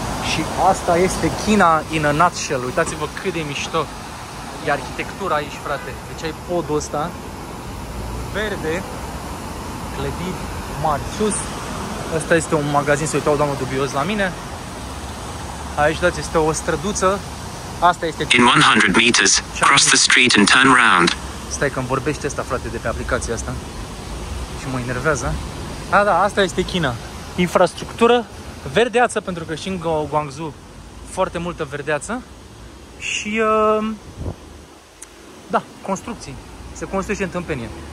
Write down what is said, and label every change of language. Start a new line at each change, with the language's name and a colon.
Romanian: Și asta este China
English: in a nutshell.
Romanian: Uitați-vă cât de mișto e arhitectura aici, frate. Deci ai podul ăsta verde, clădiri mari sus. Asta este un magazin, să uitau doamnă dubios la mine. Aici, uitați, este o străduță. Asta este
English: in 100 meters, cross the street and turn round.
Romanian: Stai că îmi vorbește asta, frate, de pe aplicația asta. Și mă enervează. A, da, asta este China. Infrastructură verdeață, pentru că și în Guangzhou foarte multă verdeață. Și da, construcții. Se construiește în tâmpenie.